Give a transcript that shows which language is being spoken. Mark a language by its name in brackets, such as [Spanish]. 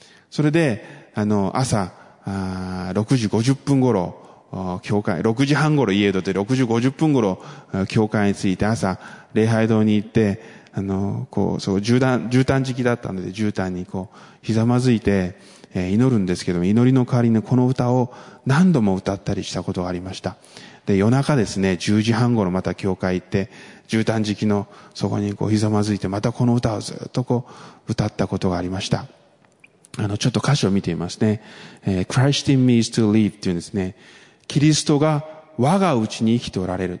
[Japanese] それで朝6時50分頃教会、6時半頃家へ出て、6時50分頃教会に着いて、朝礼拝堂に行って、こう、そう、絨毯敷きだったので、絨毯にこう、ひざまずいて、祈るんですけども、祈りの代わりにこの歌を何度も歌ったりしたことがありました。で、夜中ですね、10時半頃また教会行って、絨毯敷きのそこにこう、ひざまずいて、またこの歌をずっとこう、歌ったことがありました。ちょっと歌詞を見てみますね。 [English] Christ in me is to live [Japanese] っていうんですね。キリストが我がうちに生きておられる。